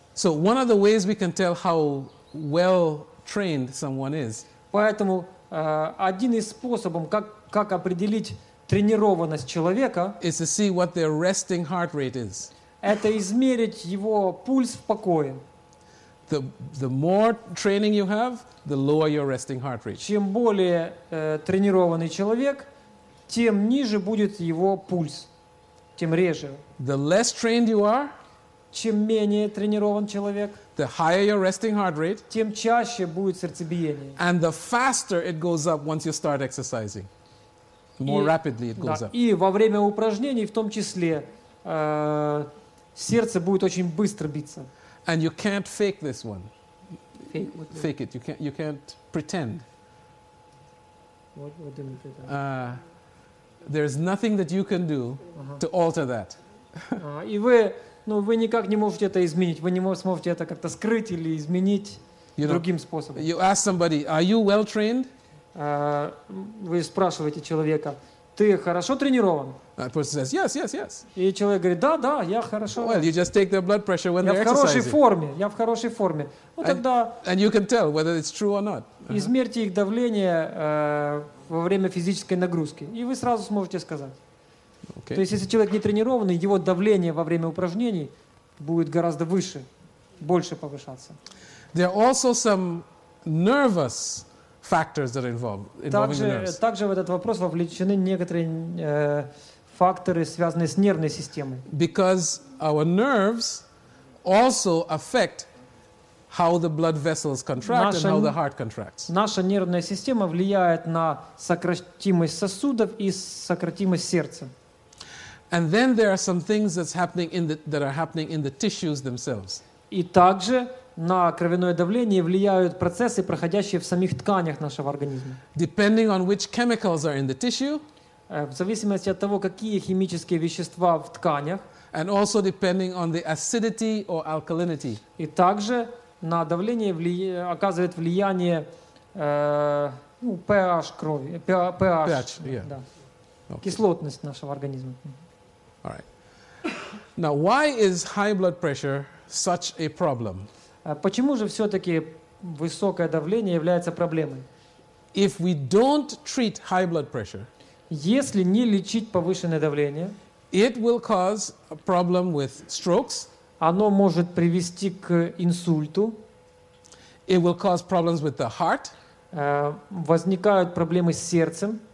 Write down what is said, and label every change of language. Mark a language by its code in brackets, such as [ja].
[en] So one of the ways we can tell how well trained someone is. [ru] Поэтому один из способов, как определить тренированность человека, [en] is to see what their resting heart rate is. [ru] Это измерить его пульс в покое. [en] The more training you have, the lower your resting heart rate. [ru] Чем более тренированный человек, тем ниже будет его пульс, тем реже. [en] The less trained you are, [ru] чем менее тренирован человек, [en] the higher your resting heart rate, [ru] тем чаще будет сердцебиение. [en] And the faster it goes up once you start exercising. More rapidly it goes up. [ru] И во время упражнений, в том числе, сердце будет очень быстро биться. [en] And you can't fake this one. Fake it. You can't pretend. What do you mean by that? There's nothing that you can do to alter that. [ru] И вы никак не можете это изменить. Вы не сможете это как-то скрыть или изменить другим способом. [en] You ask somebody, are you well trained? [ru] Вы спрашиваете человека, ты хорошо тренирован? [en] That person says, yes, yes, yes. [ru] И человек говорит, да, я хорошо. [en] Well, you just take their blood pressure when they're exercising. [ru] Я в хорошей форме. Тогда. [en] And you can tell whether it's true or not. [ru] Измерьте их давление во время физической нагрузки, и вы сразу сможете сказать. [en] Okay. [ru] То есть, если человек не тренированный, его давление во время упражнений будет гораздо выше, больше повышаться. [en] There are also some nervous factors that are involved, involving [ru] также, [en] the nerves. [ru] Также в этот вопрос вовлечены некоторые факторы, связанные с нервной системой. [en] Because our nerves also affect how the blood vessels contract and how the heart contracts. [ru] Наша нервная система влияет на сократимость сосудов и сократимость сердца. [en] And then there are some things that's happening in the, that are happening in the tissues themselves. [ru] И также на кровяное давление влияют процессы, проходящие в самих тканях нашего организма. [en] Depending on which chemicals are in the tissue, [ru] в зависимости от того, какие химические вещества в тканях, [en] and also depending on the acidity or alkalinity. [ru] И также на давление оказывает влияние pH крови, pH, yeah. Да. [en] Okay. [ru] Кислотность нашего организма. [en] All right. Now, why is high blood pressure such a problem? [ru] Почему же все-таки высокое давление является проблемой? [en] If we don't treat high blood pressure, [ru] если не лечить повышенное давление, [en] it will cause a problem with strokes. [ru] Оно может привести к инсульту. [en] It will cause problems with the heart. [ru] Возникают проблемы с сердцем.